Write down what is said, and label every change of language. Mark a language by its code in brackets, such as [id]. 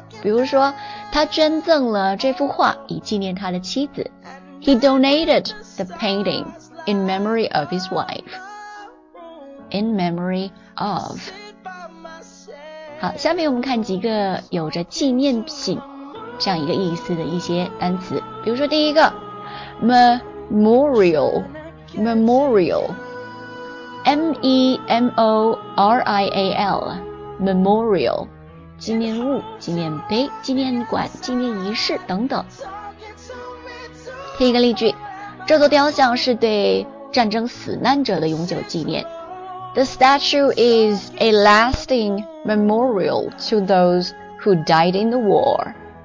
[zh] 比如说他捐赠了这幅画以纪念他的妻子。 [en] He donated the painting in memory of his wife. In memory of. [zh] 好，下面我们看几个有着纪念性这样一个意思的一些单词。比如说第一个 ,memorial, M-E-M-O-R-I-A-L, memorial, 纪念物、纪念碑、纪念馆、纪念仪式等等。听一个例句，这座雕像是对战争死难者的永久纪念。 [en] The statue is a lasting memorial to those who died in the war.